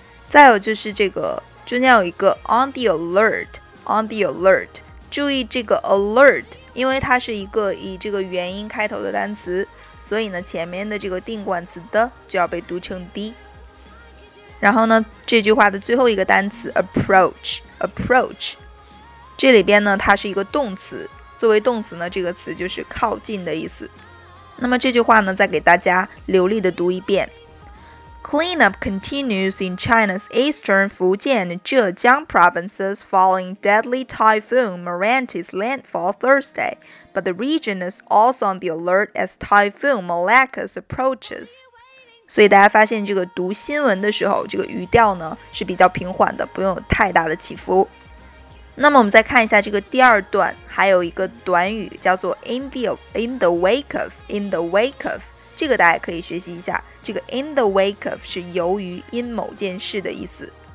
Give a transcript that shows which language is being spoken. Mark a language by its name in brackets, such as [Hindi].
[Chinese] 再有就是这个中间有一个 [English] on the alert， [Chinese] 注意这个 alert， 因为它是一个以这个元音开头的单词，所以呢前面的这个定冠词的就要被读成 d。然后呢这句话的最后一个单词 approach， 这里边呢它是一个动词，作为动词呢这个词就是靠近的意思。那么这句话呢再给大家流利的读一遍。 [English] Cleanup continues in China's eastern Fujian and Zhejiang provinces following deadly typhoon Mirante's landfall Thursday, but the region is also on the alert as typhoon Malacca approaches. [Chinese] 所以大家发现这个读新闻的时候，这个语调呢是比较平缓的，不用有太大的起伏。那么我们再看一下这个第二段，还有一个短语叫做 [English] in the wake of， [Chinese] 这个大家可以学习一下。这个 [English] in the wake of [Chinese] 是由于因某件事的意思。